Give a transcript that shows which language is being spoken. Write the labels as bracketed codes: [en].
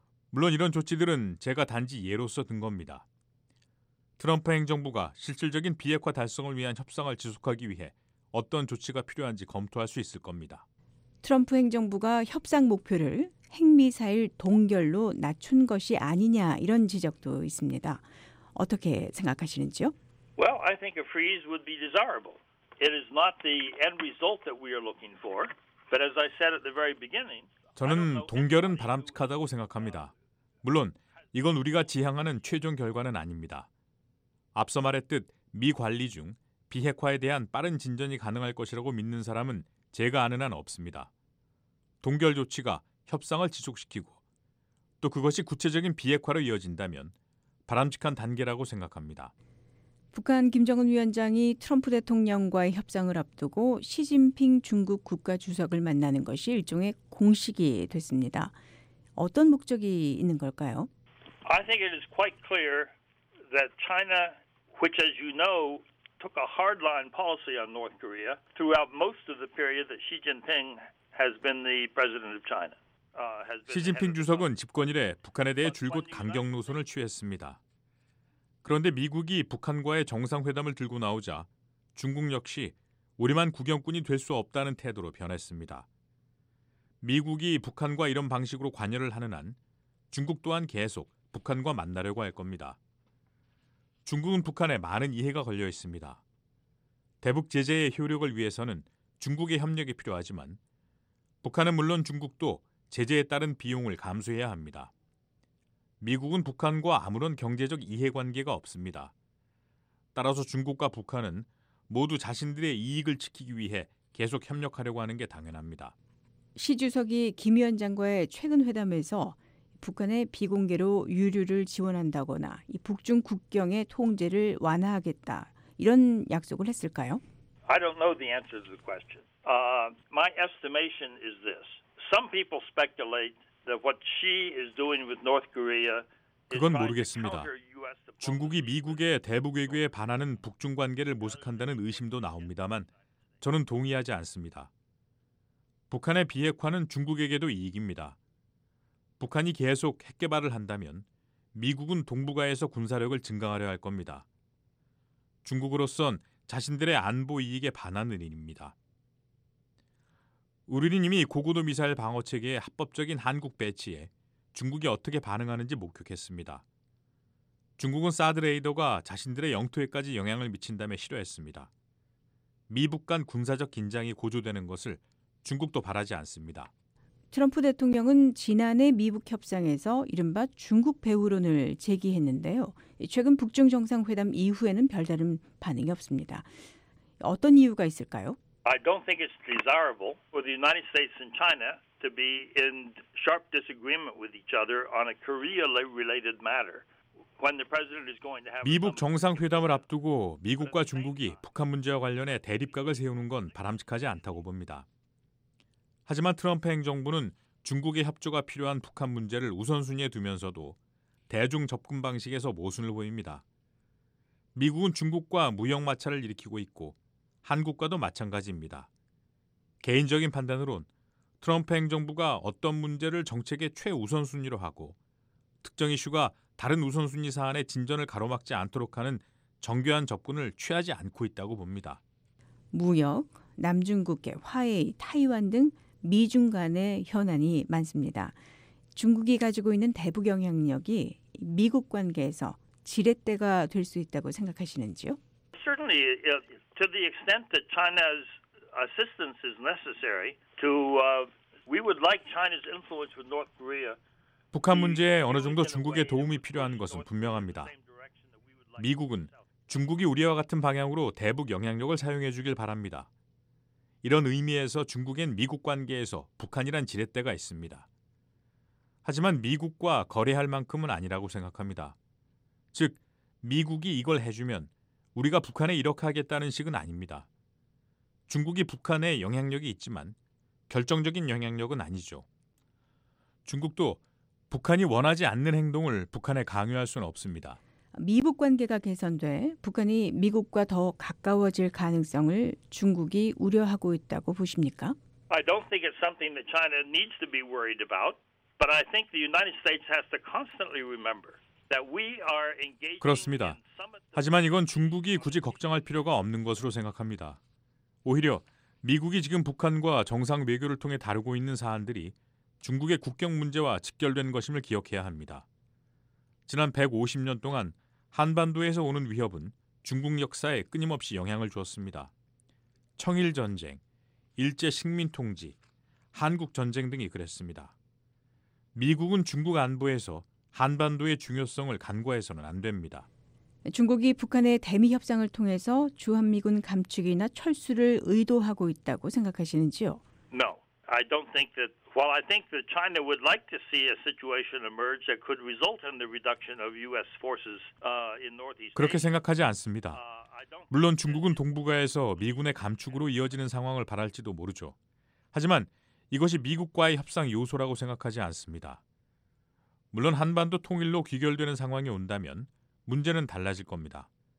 [ko] 물론 이런 조치들은 제가 단지 예로서 든 겁니다. 트럼프 행정부가 실질적인 비핵화 달성을 위한 협상을 지속하기 위해 어떤 조치가 필요한지 검토할 수 있을 겁니다. 트럼프 행정부가 협상 목표를 핵미사일 동결로 낮춘 것이 아니냐 이런 지적도 있습니다. 어떻게 생각하시는지요? [en] Well, I think a freeze would be desirable. It is not the end result that we are looking for, but as I said at the very beginning, [ko] 저는 동결은 바람직하다고 생각합니다. 물론 이건 우리가 지향하는 최종 결과는 아닙니다. 앞서 말했듯 미 관리 중 비핵화에 대한 빠른 진전이 가능할 것이라고 믿는 사람은 제가 아는 한 없습니다. 동결 조치가 협상을 지속시키고 또 그것이 구체적인 비핵화로 이어진다면 바람직한 단계라고 생각합니다. 북한 김정은 위원장이 트럼프 대통령과의 협상을 앞두고 시진핑 중국 국가주석을 만나는 것이 일종의 공식이 됐습니다. 어떤 목적이 있는 걸까요? [en] I think it is quite clear that China, which as you know, took a hardline policy on North Korea throughout most of the period that Xi Jinping has been the president of China. [ko] 시진핑 주석은 집권 이래 북한에 대해 줄곧 강경 노선을 취했습니다. 그런데 미국이 북한과의 정상회담을 들고 나오자 중국 역시 우리만 구경꾼이 될 수 없다는 태도로 변했습니다. 미국이 북한과 이런 방식으로 관여를 하는 한 중국 또한 계속 북한과 만나려고 할 겁니다. 중국은 북한에 많은 이해가 걸려 있습니다. 대북 제재의 효력을 위해서는 중국의 협력이 필요하지만 북한은 물론 중국도 제재에 따른 비용을 감수해야 합니다. 미국은 북한과 아무런 경제적 이해관계가 없습니다. 따라서 중국과 북한은 모두 자신들의 이익을 지키기 위해 계속 협력하려고 하는 게 당연합니다. 시 주석이 김 위원장과의 최근 회담에서 북한에 비공개로 유류를 지원한다거나 이 북중 국경의 통제를 완화하겠다 이런 약속을 했을까요? [en] I don't know the answer to the question. My estimation is this. Some people speculate that what she is doing with North Korea. [ko] 그건 모르겠습니다. 중국이 미국의 대북 외교에 반하는 북중 관계를 모색한다는 의심도 나옵니다만 저는 동의하지 않습니다. 북한의 비핵화는 중국에게도 이익입니다. 북한이 계속 핵 개발을 한다면 미국은 동북아에서 군사력을 증강하려 할 겁니다. 중국으로선 자신들의 안보 이익에 반하는 일입니다. 우리는 이미 고고도 미사일 방어 체계의 합법적인 한국 배치에 중국이 어떻게 반응하는지 목격했습니다. 중국은 사드 레이더가 자신들의 영토에까지 영향을 미친다며 싫어했습니다. 미북 간 군사적 긴장이 고조되는 것을 중국도 바라지 않습니다. 트럼프 대통령은 지난해 미북 협상에서 이른바 중국 배후론을 제기했는데요. 최근 북중 정상회담 이후에는 별다른 반응이 없습니다. 어떤 이유가 있을까요? [en] I don't think it's desirable for the United States and China to be in sharp disagreement with each other on a Korea-related matter. When the president is going to have [ko] 미북 정상회담을 앞두고 미국과 중국이 북한 문제와 관련해 대립각을 세우는 건 바람직하지 않다고 봅니다. 하지만 트럼프 행정부는 중국의 협조가 필요한 북한 문제를 우선순위에 두면서도 대중 접근 방식에서 모순을 보입니다. 미국은 중국과 무역 마찰을 일으키고 있고 한국과도 마찬가지입니다. 개인적인 판단으론 트럼프 행정부가 어떤 문제를 정책의 최우선순위로 하고 특정 이슈가 다른 우선순위 사안의 진전을 가로막지 않도록 하는 정교한 접근을 취하지 않고 있다고 봅니다. 무역, 남중국해, 화웨이, 타이완 등 미중 간의 현안이 많습니다. 중국이 가지고 있는 대북 영향력이 미국 관계에서 지렛대가 될 수 있다고 생각하시는지요? [en] Certainly, to the extent that China's assistance is necessary, to we would like China's influence with North Korea. [ko] 북한 문제에 어느 정도 중국의 도움이 필요한 것은 분명합니다. 미국은 중국이 우리와 같은 방향으로 대북 영향력을 사용해 주길 바랍니다. 이런 의미에서 중국엔 미국 관계에서 북한이란 지렛대가 있습니다. 하지만 미국과 거래할 만큼은 아니라고 생각합니다. 즉, 미국이 이걸 해주면 우리가 북한에 이렇게 하겠다는 식은 아닙니다. 중국이 북한에 영향력이 있지만 결정적인 영향력은 아니죠. 중국도 북한이 원하지 않는 행동을 북한에 강요할 수는 없습니다. 미북 관계가 개선돼 북한이 미국과 더 가까워질 가능성을 중국이 우려하고 있다고 보십니까? [en] I don't think it's something that China needs to be worried about, but I think the United States has to constantly remember that we are engaged. [ko] 그렇습니다. 하지만 이건 중국이 굳이 걱정할 필요가 없는 것으로 생각합니다. 오히려 미국이 지금 북한과 정상 외교를 통해 다루고 있는 사안들이 중국의 국경 문제와 직결된 것임을 기억해야 합니다. 지난 150년 동안 한반도에서 오는 위협은 중국 역사에 끊임없이 영향을 주었습니다. 청일전쟁, 일제식민통지, 한국전쟁 등이 그랬습니다. 미국은 중국 안보에서 한반도의 중요성을 간과해서는 안 됩니다. 중국이 북한의 대미협상을 통해서 주한미군 감축이나 철수를 의도하고 있다고 생각하시는지요? [en] No, I don't think that. Well, I think that China would like to see a situation emerge that could result in the reduction of U.S. forces in Northeast. [ko] 그렇게 생각하지 않습니다. 물론 중국은 동북아에서 미군의 감축으로 이어지는 상황을 바랄지도 모르죠. 하지만 이것이 미국과의 협상 요소라고 생각하지 않습니다. 물론 한반도 통일로 귀결되는 상황이 온다면 문제는 달라질 겁니다.